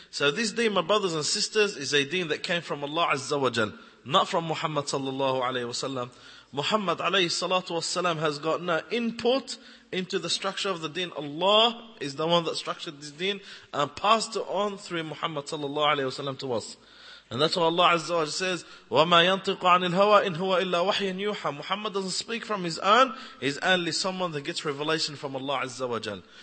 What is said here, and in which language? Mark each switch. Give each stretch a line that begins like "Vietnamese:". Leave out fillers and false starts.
English: So this deen, my brothers and sisters, is a deen that came from Allah Azza wa Jal, not from Muhammad sallallahu alayhi wa sallam. Muhammad alayhi salatu wa sallam has got no input into the structure of the deen. Allah is the one that structured this deen and passed it on through Muhammad sallallahu alayhi wa sallam to us. And that's what Allah Azza wa Jalla says,
Arabic: وَمَا يَنْطِقُ عَنِ الْهَوَىٰ إِنْ هُوَ إِلَّا وَحْيٍ يُوحَىٰ.
English: Muhammad doesn't speak from his own, he's only someone that gets revelation from Allah Azza wa Jalla.